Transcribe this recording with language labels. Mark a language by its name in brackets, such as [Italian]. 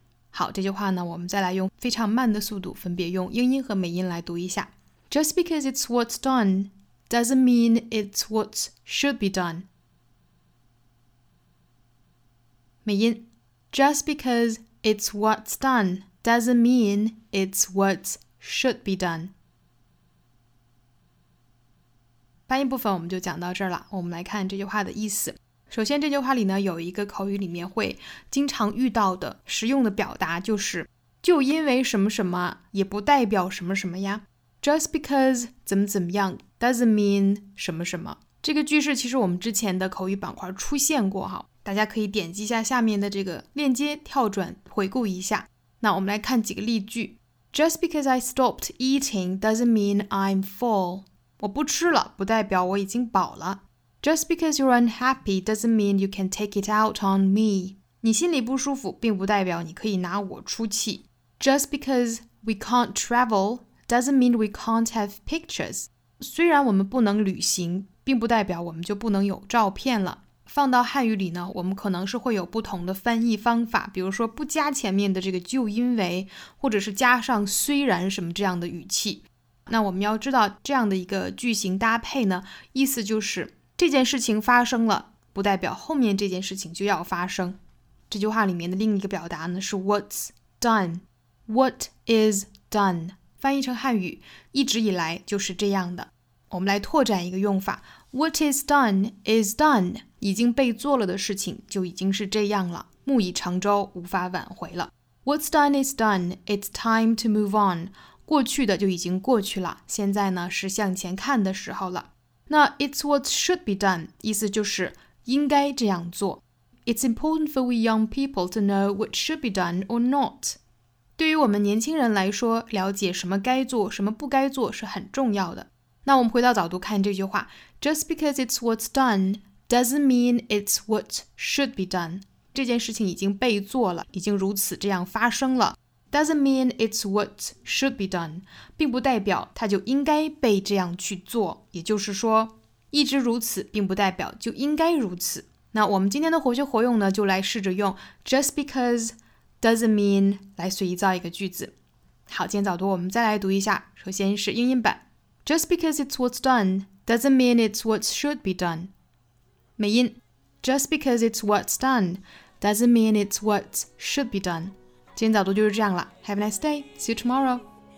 [Chinese] 好，这句话呢我们再来用非常慢的速度分别用英音和美音来读一下。 [English] Just because it's what's doneDoesn't mean it's what should be done. [Chinese] 美音 [English] Just because it's what's done doesn't mean it's what should be done. [Chinese] 发音部分我们就讲到这儿了，我们来看这句话的意思。首先这句话里呢有一个口语里面会经常遇到的实用的表达，就是就因为什么什么也不代表什么什么呀。 [English] Just because [Chinese] 怎么怎么样 [English] doesn't mean [Chinese] 什么什么，这个句式其实我们之前的口语板块出现过哈，大家可以点击一下下面的这个链接跳转回顾一下。那我们来看几个例句。 [English] Just because I stopped eating doesn't mean I'm full. [Chinese] 我不吃了不代表我已经饱了。 [English] Just because you're unhappy doesn't mean you can take it out on me. [Chinese] 你心里不舒服并不代表你可以拿我出气。 [English] Just because we can't travelDoesn't mean we can't have pictures. [Chinese] 虽然我们不能旅行，并不代表我们就不能有照片了。放到汉语里呢，我们可能是会有不同的翻译方法，比如说不加前面的这个就因为，或者是加上虽然什么这样的语气。那我们要知道这样的一个句型搭配呢，意思就是这件事情发生了，不代表后面这件事情就要发生。这句话里面的另一个表达呢是 [English] what's done, what is done. [Chinese] 翻译成汉语，一直以来就是这样的。我们来拓展一个用法， [English] What is done is done [Chinese] 已经被做了的事情就已经是这样了，木已成舟，无法挽回了。 [English] What's done is done, it's time to move on. [Chinese] 过去的就已经过去了，现在呢是向前看的时候了。那 [English] it's what should be done, [Chinese] 意思就是应该这样做。 [English] It's important for we young people to know what should be done or not. [Chinese] 对于我们年轻人来说，了解什么该做，什么不该做是很重要的。那我们回到早读看这句话， [English] Just because it's what's done doesn't mean it's what should be done. [Chinese] 这件事情已经被做了，已经如此这样发生了。 [English] Doesn't mean it's what should be done, [Chinese] 并不代表它就应该被这样去做。也就是说，一直如此并不代表就应该如此。那我们今天的活学活用呢，就来试着用 [English] just because doesn't mean [Chinese] 来随意造一个句子。好，今天早读我们再来读一下，首先是英音版。 [English] Just because it's what's done doesn't mean it's what should be done. [Chinese] 美音 [English] Just because it's what's done doesn't mean it's what should be done. 今天早读就是这样了。Have a nice day. See you tomorrow.